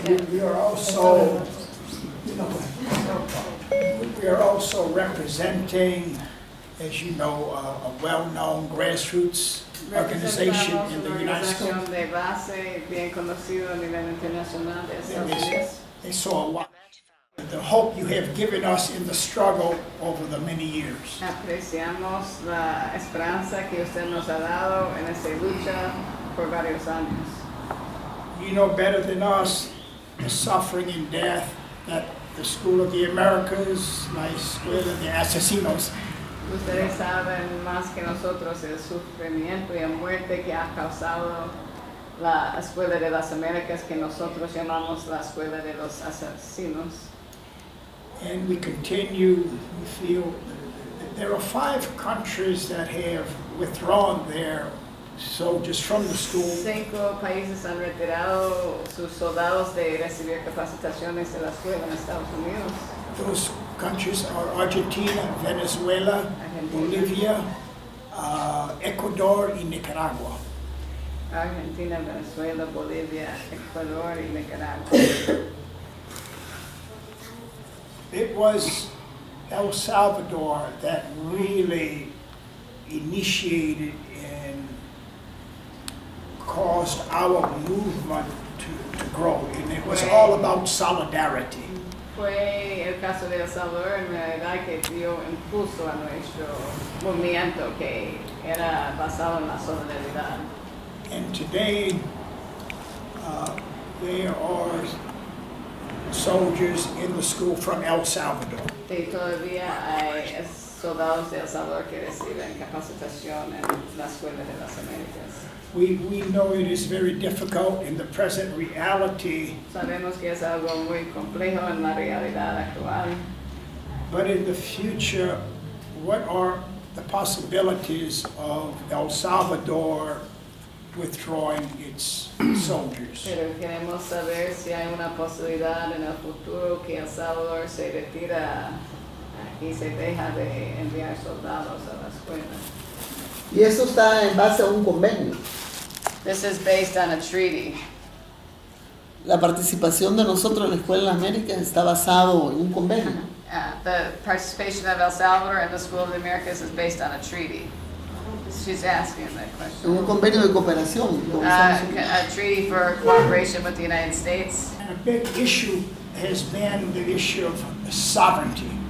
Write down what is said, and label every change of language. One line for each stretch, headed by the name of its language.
English: We are also, we are also representing, as you know, a well-known grassroots organization in the United States. They saw a lot. The hope you have given us in the struggle over the many years.
Spanish: Apreciamos la esperanza que usted nos ha dado en esta lucha por varios años.
English: You know better than us the suffering and death that the School of the Americas,
Spanish: la Escuela de Asesinos. Ustedes saben más que nosotros el sufrimiento y la muerte que ha causado la Escuela de las Américas, que nosotros llamamos la Escuela de los Asesinos.
English: And we continue, we feel, that there are five countries that have withdrawn their So just from the school.
Spanish: Cinco países han retirado sus soldados de recibir capacitaciones de la escuela en Estados Unidos.
English: Those countries are Argentina, Venezuela, Argentina, Bolivia, Ecuador y Nicaragua.
Spanish: Argentina, Venezuela, Bolivia, Ecuador y Nicaragua.
English: It was El Salvador that really initiated and caused our movement to grow, and it was all about solidarity.
Spanish: Fue el caso de El Salvador en realidad que dio impulso a nuestro movimiento que era basado en la solidaridad.
English: And today, there are soldiers in the school from El Salvador.
Spanish: Y todavía hay soldados de El Salvador que reciben capacitación en la escuela de las Américas.
English: We know it is very difficult in the present reality.
Spanish: Sabemos que es algo muy complejo en la realidad actual.
English: But in the future, what are the possibilities of El Salvador withdrawing its soldiers?
Spanish: Pero queremos saber si hay una posibilidad en el futuro que El Salvador se retira y se deja de enviar soldados a la escuela. Y eso está en base a un convenio.
English: This is based on a treaty.
Spanish: La participación de nosotros en la Escuela de las Américas está basado en un convenio.
English: The participation of El Salvador in the School of the Americas is based on a treaty. She's asking that question.
Spanish: Un convenio de cooperación.
English: A treaty for cooperation with the United States. And a big issue has been the issue of sovereignty.